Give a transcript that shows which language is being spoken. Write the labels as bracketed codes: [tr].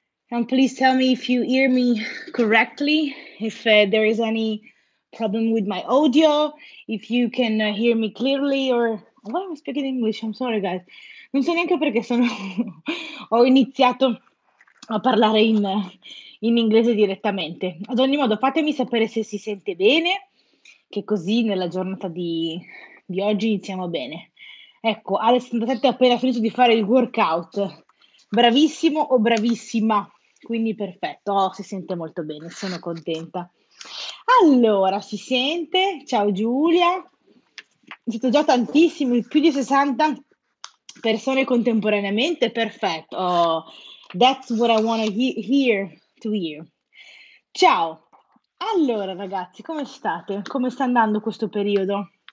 [en] And please tell me if you hear me correctly, if there is any problem with my audio, if you can hear me clearly, or why am I speaking English? I'm sorry guys. [it] Non so neanche perché sono ho iniziato a parlare in inglese direttamente. Ad ogni modo, fatemi sapere se si sente bene, che così nella giornata di oggi iniziamo bene. Ecco, Alessandra ha appena finito di fare il workout. Bravissimo o bravissima? Quindi perfetto, oh, si sente molto bene, sono contenta. Allora, si sente? Ciao Giulia. Siete già tantissimi, più di 60 persone contemporaneamente, perfetto. [en] Oh, that's what I want to hear to you. [it] Ciao. Allora, ragazzi, come state? Come sta andando questo periodo?